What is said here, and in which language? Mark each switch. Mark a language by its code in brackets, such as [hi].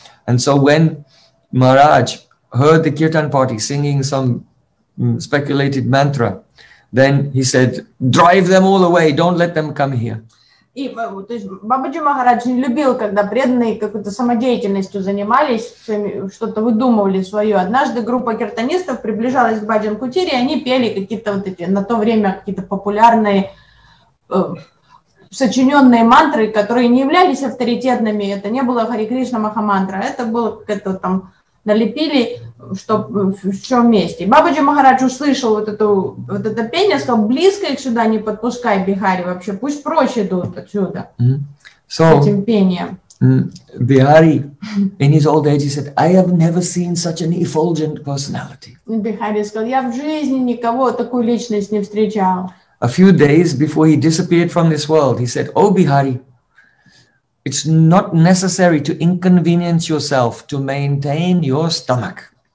[en] And so when Maharaj heard the kirtan party singing some speculated mantra, then he said, drive them all away, don't let them come here. [ru] И, то есть, Бабаджи Махарадж не любил, когда преданные какой-то самодеятельностью занимались, что-то выдумывали свое. Однажды группа киртанистов приближалась к Баджан Кутире, и они пели какие-то вот эти, на то время какие-то популярные, сочиненные мантры, которые не являлись авторитетными. Это не было Хари Кришна Махамантра, это было какое-то там налепили, что в чем месте. Бабаджи Махарадж услышал вот это пение, сказал, близко их сюда не подпускай, Бихари, вообще, пусть прочь идут отсюда, [en] so, [ru] с этим пением. [en] Бихари, in his old age, he said, I have never seen such an effulgent personality. [ru] Бихари сказал, я в жизни никого, такую личность не встречал. [en] A few days before he disappeared from this world, he said, oh, Бихари, it's not necessary to inconvenience yourself to maintain your stomach.